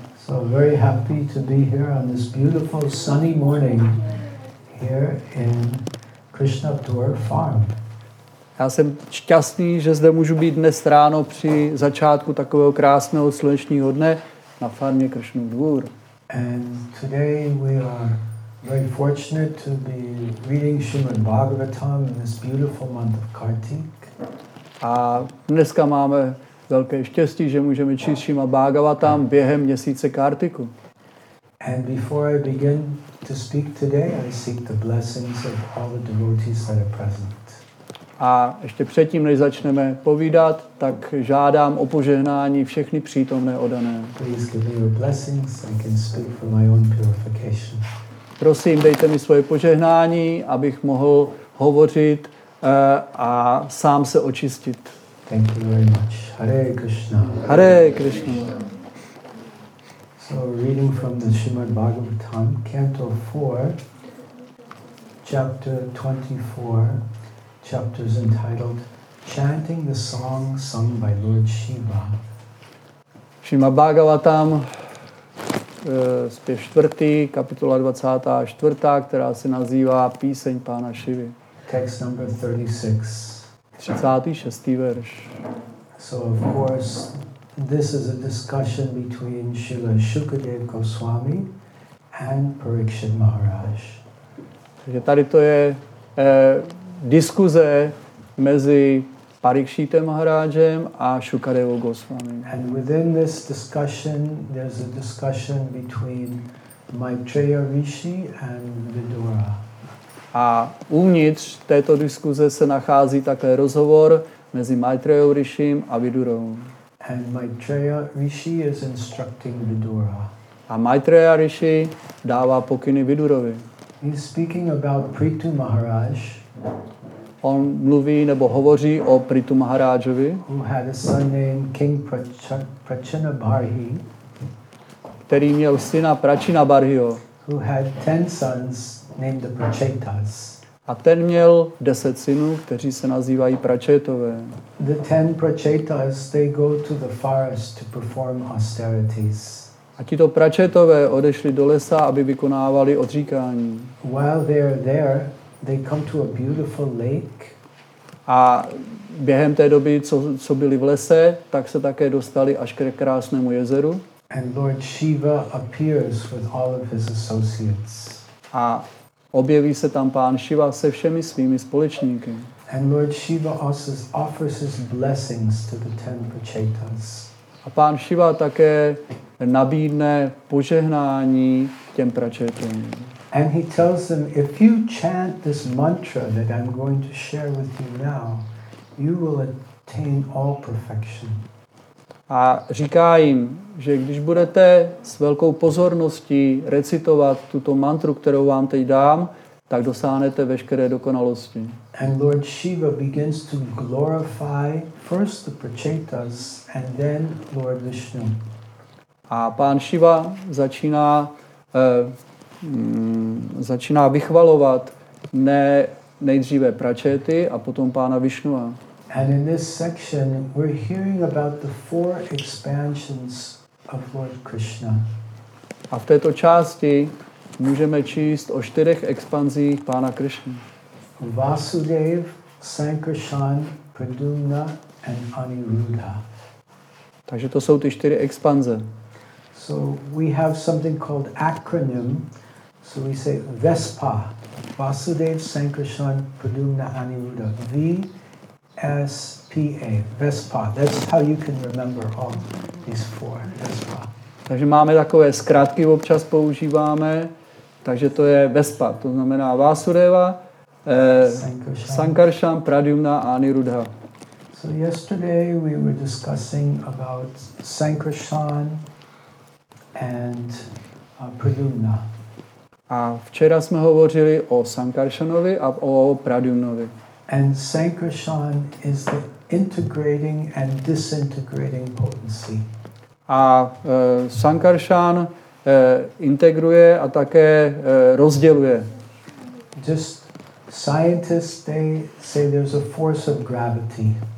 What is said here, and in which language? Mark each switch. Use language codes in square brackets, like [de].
[en] So very happy to be here on this beautiful sunny morning here in Krishnapur Farm. [cs] Já jsem šťastný, že zde můžu být dnes ráno při začátku takového krásného slunečního dne na farmě Krishnapur. [en] And today we are very fortunate to be reading Srimad Bhagavatam in this beautiful month of Kartik. [cs] A dneska máme velké štěstí, že můžeme číst Srimad Bhagavatam během měsíce Kartiku. [en] And before I begin to speak today, I seek the blessings of all the devotees that are present. [cs] A ještě předtím, než začneme povídat, tak žádám o požehnání všechny přítomné odané. [en] Please give me your blessings, I can speak for my own purification. [cs] Prosím, dejte mi svoje požehnání, abych mohl hovořit a sám se očistit. [en] Thank you very much. Hare Krishna. Hare Krishna. So reading from the Srimad Bhagavatam, Canto 4, Chapter 24, chapters entitled Chanting the Song Sung by Lord Shiva. [cs] Srimad Bhagavatam, zpěv čtvrtý, kapitola 24, která se nazývá Píseň Pána Šivy. [en] Text number 36. [cs] 36. verš. [en] So of course, this is a discussion between Srila Shukadev Goswami and Parikshit Maharaj. [cs] Takže tady to je diskuze mezi Parikshita Maharajem a Shukadeva Goswami. [en] And within this discussion, there's a discussion between Maitreya Rishi and Vidura. [cs] A uvnitř této diskuze se nachází také rozhovor mezi Maitreya Rishim a Vidurou. [en] And Maitreya Rishi is instructing Vidura. [cs] A Maitreya Rishi dává pokyny Vidurovi. [en] He's speaking about Prithu Maharaj. [cs] On mluví nebo hovoří o Prithu Maharajovi, [en] who had a son named King Prachinabarhi, [cs] který měl syna Prachinabarhiho, [en] who had 10 sons named the Prachetas. [cs] A ten měl 10 synů, kteří se nazývají Prachetové. [en] The 10 Prachetas, they go to the forest to perform austerities. [cs] A tito Prachetové odešli do lesa, aby vykonávali odříkání. [en] While they're there, they come to a beautiful lake. [cs] A během té doby, co byli v lese, tak se také dostali až k krásnému jezeru. [en] And Lord Shiva appears with all of his associates. [cs] A objeví se tam pán Shiva se všemi svými společníky. [en] And Lord Shiva also offers his blessings to the 10 Prachetas. [cs] A pán Shiva také nabídne požehnání těm Prachetům. [en] And he tells them, if you chant this mantra that I'm going to share with you now, you will attain all perfection. [cs] A říká jim, že když budete s velkou pozorností recitovat tuto mantru, kterou vám teď dám, tak dosáhnete veškeré dokonalosti. [en] And Lord Shiva begins to glorify first the Prachetas and then Lord Vishnu. [cs] A pán Shiva začíná vychvalovat nejdříve Prachety a potom pána Vishnua. [en] And in this section we're hearing about the four expansions of Lord Krishna. [cs] A v této části můžeme číst o 4 expanzích pána Krishny. [en] Vasudev, Sankarshan, Pradumna and Aniruddha. [cs] Takže to jsou ty 4 expanze. [en] So we have something called acronym. So we say Vespa, Vasudev, Sankarshan, Pradumna, Aniruddha. V-S-P-A, Vespa. That's how you can remember all these four, Vespa. [cs] Takže máme takové zkratky, občas používáme. Takže to je Vespa, to znamená Vasudeva, Sankarshan, Pradyumna a Aniruddha. [en] So yesterday we were discussing about Sankarshan and Pradyumna. [cs] A včera jsme hovořili o Sankarshanovi a o Pradyumnovi. [en] And Sankarshan is the integrating and disintegrating potency. [cs] A Sankarshan integruje a také rozděluje. [en] Just scientists, they say there's a force of gravity.